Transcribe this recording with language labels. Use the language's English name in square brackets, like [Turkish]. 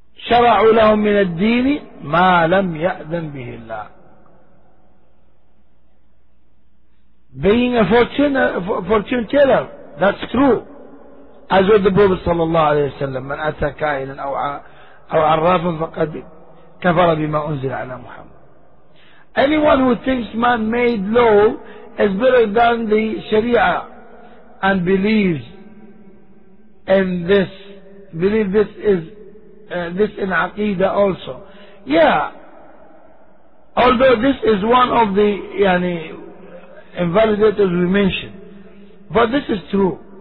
[Arabic] شرعوا لهم من الدين ما لم يأذن به الله. [English] Being a fortune teller, that's true. As with the Prophet [Arabic] صلى الله عليه وسلم, من أتى كائنا أو عرافا فقد كفر بما أنزل على محمد. [English] Anyone who thinks man-made law is better than the Sharia and believes in this, believe this is this in Aqeedah also. Yeah. Although this is one of the invalidators we mentioned. But this is true.